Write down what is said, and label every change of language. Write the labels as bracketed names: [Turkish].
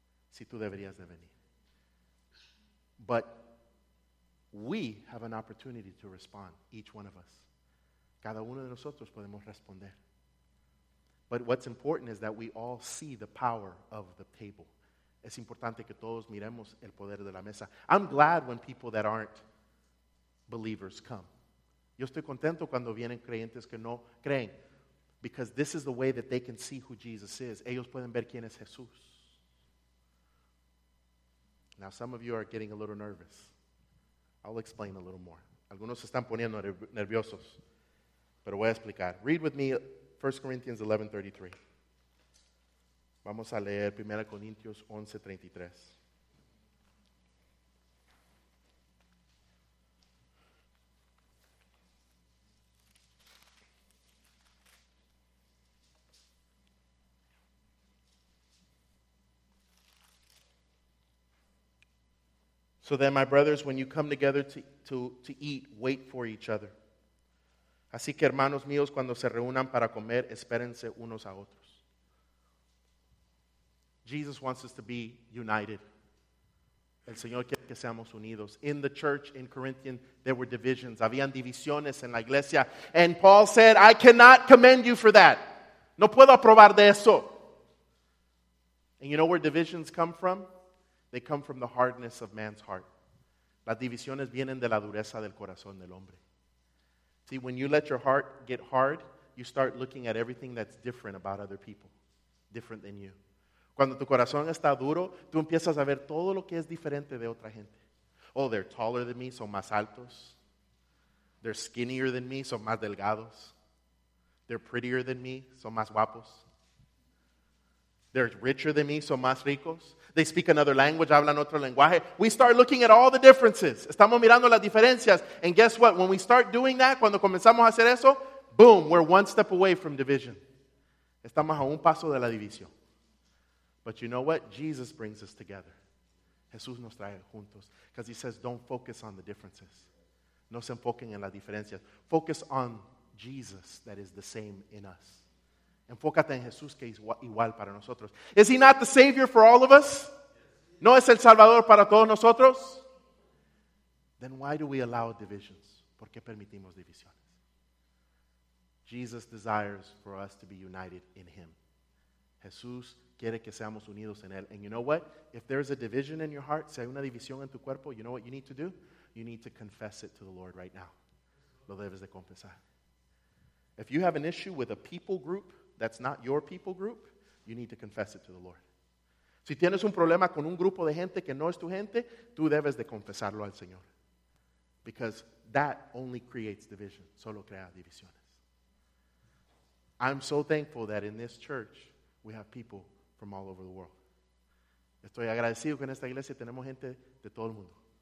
[Spanish] Si tú deberías de venir. [English] But we have an opportunity to respond, each one of us. [Spanish] Cada uno de nosotros podemos responder. [English] But what's important is that we all see the power of the table. [Spanish] Es importante que todos miremos el poder de la mesa. [English] I'm glad when people that aren't believers come. [Spanish] Yo estoy contento cuando vienen creyentes que no creen. [English] Because this is the way that they can see who Jesus is. [Spanish] Ellos pueden ver quién es Jesús. [English] Now some of you are getting a little nervous. I'll explain a little more. [Spanish] Algunos están poniendo nerviosos. Pero voy a explicar. [English] Read with me 1 Corinthians 11:33. [Spanish] Vamos a leer 1 Corintios 11:33. [English] So then, my brothers, when you come together to eat, wait for each other. [Spanish] Así que, hermanos míos, cuando se reúnan para comer, espérense unos a otros. [English] Jesus wants us to be united. [Spanish] El Señor quiere que seamos unidos. [English] In the church in Corinthian, there were divisions. [Spanish] Habían divisiones en la iglesia. [English] And Paul said, I cannot commend you for that. [Spanish] No puedo aprobar de eso. [English] And you know where divisions come from? They come from the hardness of man's heart. [Spanish] Las divisiones vienen de la dureza del corazón del hombre. [English] See, when you let your heart get hard, you start looking at everything that's different about other people, different than you. [Spanish] Cuando tu corazón está duro, tú empiezas a ver todo lo que es diferente de otra gente. [English] Oh, they're taller than me, [Spanish] son más altos. [English] They're skinnier than me, [Spanish] son más delgados. [English] They're prettier than me, [Spanish] son más guapos. [English] They're richer than me, [Spanish] son más ricos. [English] They speak another language, [Spanish] hablan otro lenguaje. [English] We start looking at all the differences. [Spanish] Estamos mirando las diferencias. [English] And guess what? When we start doing that, [Spanish] cuando comenzamos a hacer eso, [English] boom, we're one step away from division. [Spanish] Estamos a un paso de la división. [English] But you know what? Jesus brings us together. [Spanish] Jesús nos trae juntos. [English] Because he says, don't focus on the differences. [Spanish] No se enfoquen en las diferencias. [English] Focus on Jesus that is the same in us. [Spanish] Enfócate en Jesús que es igual para nosotros. [English] Is he not the Savior for all of us? [Spanish] ¿No es el Salvador para todos nosotros? [English] Then why do we allow divisions? [Spanish] ¿Por qué permitimos divisiones? [English] Jesus desires for us to be united in him. [Spanish] Jesús quiere que seamos unidos en él. [English] And you know what? If there's a division in your heart, [Spanish] si hay una división en tu cuerpo, [English] you know what you need to do? You need to confess it to the Lord right now. [Spanish] Lo debes de confesar. [English] If you have an issue with a people group that's not your people group, you need to confess it to the Lord. [Spanish] Si tienes un problema con un grupo de gente que no es tu gente, tú debes de confesarlo al Señor. [English] Because that only creates division. [Spanish] Solo crea divisiones. [English] I'm so thankful that in this church, we have people from all over the world. [Spanish] Estoy agradecido que en esta iglesia tenemos gente de todo el mundo.